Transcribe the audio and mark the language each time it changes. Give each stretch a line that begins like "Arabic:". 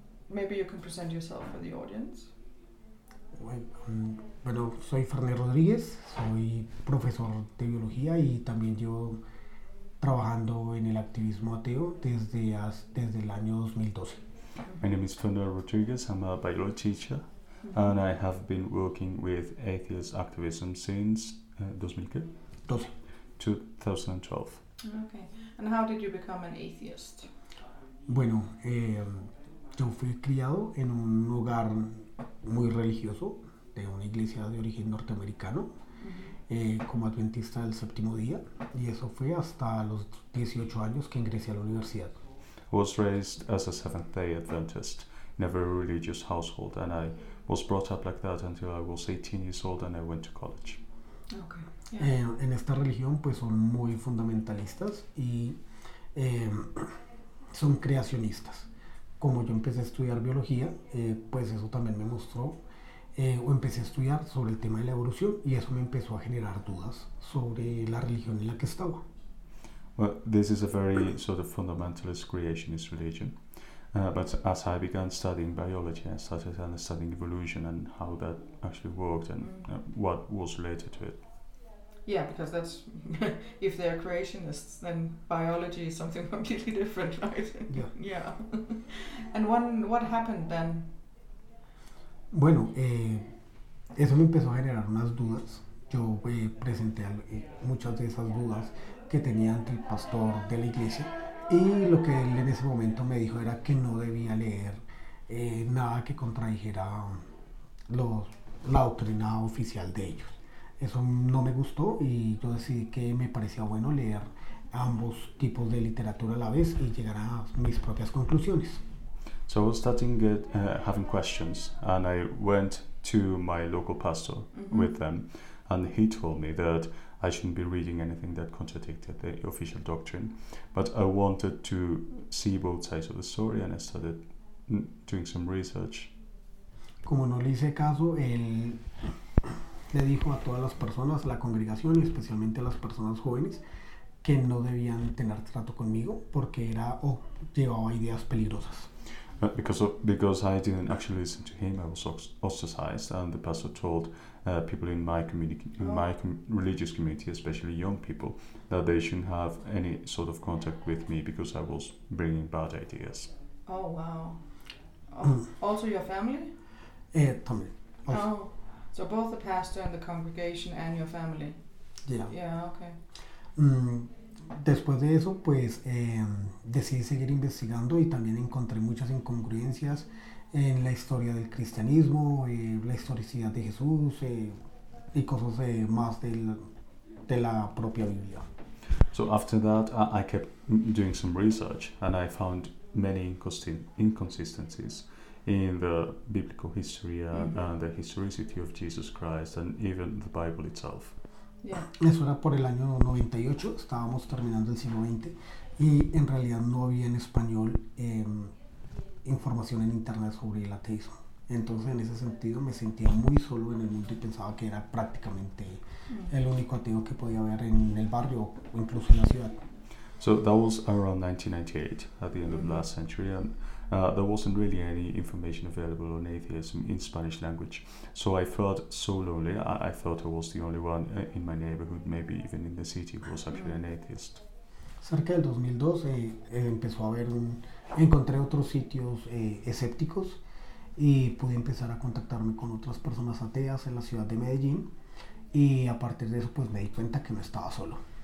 English: Maybe you can present yourself for the audience.
Spanish: Bueno, soy Ferney Rodríguez, soy profesor de biología y también yo trabajando en el activismo ateo desde el año 2012.
English: My name is Fernando Rodriguez. I'm a biology teacher, mm-hmm, and I have been working with atheist activism since 2012. Okay, and how did you become an atheist?
Spanish: Bueno, yo fui criado en un hogar muy religioso de una iglesia de origen norteamericano, mm-hmm, como adventista del séptimo día, y eso fue hasta los 18 años que ingresé a la universidad.
English: Was raised as a Seventh-day Adventist in a very religious household, and I was brought up like that until I was 18 years old and I went to college.
Spanish: En esta religión pues son muy fundamentalistas y son creacionistas. Como yo empecé a estudiar biología, pues eso también me mostró, o empecé a estudiar sobre el tema de la evolución, y eso me empezó a generar dudas sobre la religión en la que estaba.
English: Well, this is a very sort of fundamentalist creationist religion, but as I began studying biology, I started understanding evolution and how that actually worked and what was related to it. Yeah, because that's, if they're creationists, then biology is something completely different, right? Yeah. Yeah. And what happened then?
Spanish: Bueno, eso me empezó a generar unas dudas. Yo presenté muchas de esas dudas que tenía ante el pastor de la iglesia, y lo que él en ese momento me dijo era que no debía leer nada que contradijera la doctrina oficial de ellos. Eso no me gustó y yo decidí que me parecía bueno leer ambos tipos de literatura a la vez y llegar a mis propias conclusiones.
English: So I was starting having questions, and I went to my local pastor with them, and he told me that I shouldn't be reading anything that contradicted the official doctrine, but I wanted to see both sides of the story, and I started doing some research.
Spanish: Como no le hice caso, él le dijo a todas las personas, a la congregación y especialmente a las personas jóvenes, que no debían tener trato conmigo porque era llevaba ideas peligrosas.
English: Because I didn't actually listen to him, I was ostracized, and the pastor told people in my community, in my religious community, especially young people, that they shouldn't have any sort of contact with me because I was bringing bad ideas. Oh wow! Also, your family?
Spanish: También.
English: Oh, so both the pastor and the congregation and your family? Yeah. Okay.
Spanish: Después de eso, pues decidí seguir investigando y también encontré muchas incongruencias en la historia del cristianismo, la historicidad de Jesús y cosas más de la propia Biblia.
English: So after that, I kept doing some research and I found many inconsistencies in the biblical history and the historicity of Jesus Christ and even the Bible itself. Yeah.
Spanish: Eso era por el año 98, estábamos terminando el siglo XX, y en realidad no había en español información en internet sobre el ateísmo. Entonces, en ese sentido, me sentía muy solo en el mundo y pensaba que era prácticamente el único ateo que podía haber en el barrio o incluso en la ciudad.
English: So that was around 1998, at the end of last century, and there wasn't really any information available on atheism in Spanish language. So I felt so lonely. I thought I was the only one in my neighborhood, maybe even in the city, who was actually an atheist.
Spanish: Cerca del 2002, empezó a haber encontré otros sitios escépticos y pude empezar a contactarme con otras personas ateas en la ciudad de Medellín. Y a partir de eso, pues me di cuenta que no estaba solo.